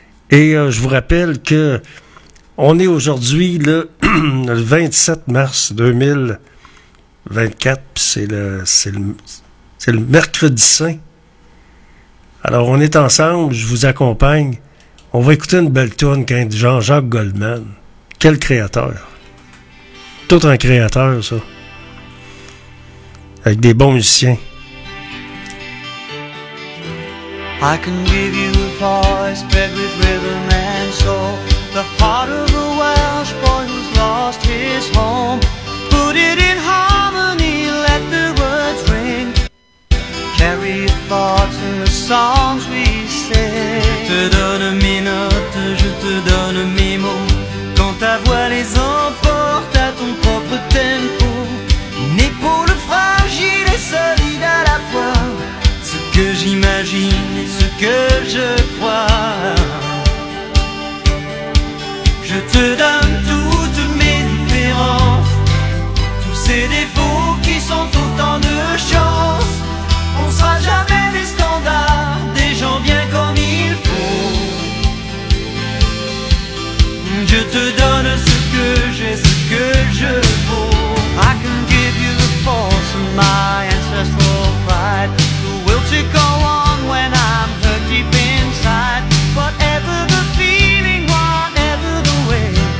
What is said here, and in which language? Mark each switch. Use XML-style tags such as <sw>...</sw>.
<fr>Et je vous rappelle que on est aujourd'hui le 27 mars 2024, puis c'est le mercredi saint. Alors, on est ensemble, je vous accompagne. On va écouter une belle tune quand Jean-Jacques Goldman. Quel créateur! Tout un créateur, ça. Avec des bons musiciens.</fr> <en>I can give you a voice bred with rhythm and soul. The heart of a Welsh boy who's lost his home. Put it in harmony, let the words ring. Carry your thoughts in the songs we sing.</en> <fr>Je te donne mes notes, je te donne mes mots. Quand ta voix les emporte à ton propre tempo. Une épaule fragile et solide à la fois. Ce que j'imagine et ce que je crois. Je te donne toutes mes différences, tous ces défauts qui sont autant de chances. On sera jamais des standards, des gens bien comme il faut. Je te donne ce que j'ai, ce que je vaux.</fr> <en>I can give you the force of my ancestral pride. The will to go on when I'm hurt deep inside. Whatever the feeling, whatever the way,</en>